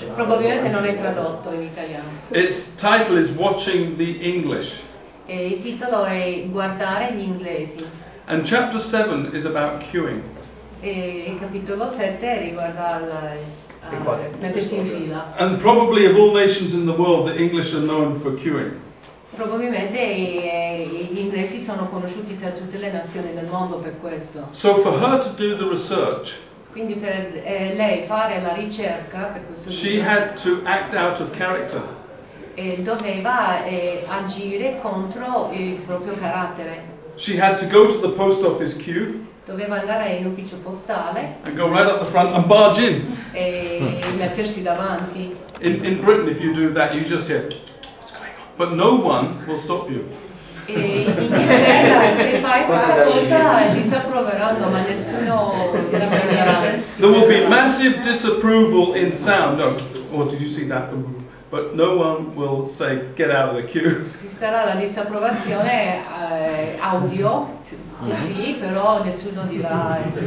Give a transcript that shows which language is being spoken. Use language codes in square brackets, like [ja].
[it] Probabilmente non è tradotto in italiano. [en] Its title is Watching the English. [it] E il titolo è Guardare gli inglesi. [en] And chapter 7 is about queuing. [it] E il capitolo 7 riguarda il mettersi in fila. [en] And probably of all nations in the world, the English are known for queuing. [it] Probabilmente gli inglesi sono conosciuti da tutte le nazioni del mondo per questo. [en] So for her to do the research, [it] Quindi per lei fare la ricerca per questo [en] she libro, had to act out of character. [it] E doveva agire contro il proprio carattere. [en] She had to go to the post office queue. [it] Doveva andare in ufficio postale. [en] And go right up the front and barge in. [it] E mettersi davanti. [en] In Britain, if you do that, you just hear, "What's going on?" But no one will stop you. There will be massive disapproval in sound. Oh, no, did you see that? But no one will say, "Get out of the queue." [it] Ci sarà la disapprovazione audio, sì, però nessuno dirà.